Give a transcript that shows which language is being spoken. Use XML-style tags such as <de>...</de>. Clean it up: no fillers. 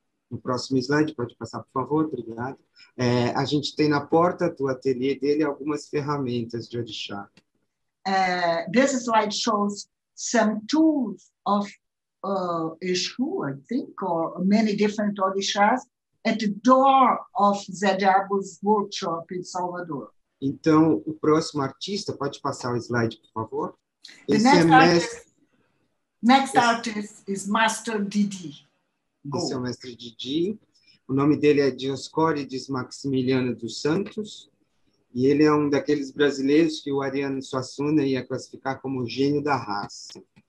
<pt>No próximo slide, pode passar, por favor, obrigado. É, a gente tem na porta do ateliê dele algumas ferramentas de orixá.</pt> <en>This slide shows some tools of Exu, I think, or many different orixás, at the door of Zé Diabo's workshop in Salvador.</en> <pt>Então, o próximo artista, pode passar o slide, por favor?</pt> <en>Next artist is Master Didi.</en> <pt>Esse é o mestre Didi. O nome dele é Dioscórides Maximiliano dos Santos. E ele é um daqueles brasileiros que o Ariano Suassuna ia classificar como gênio da raça.</pt>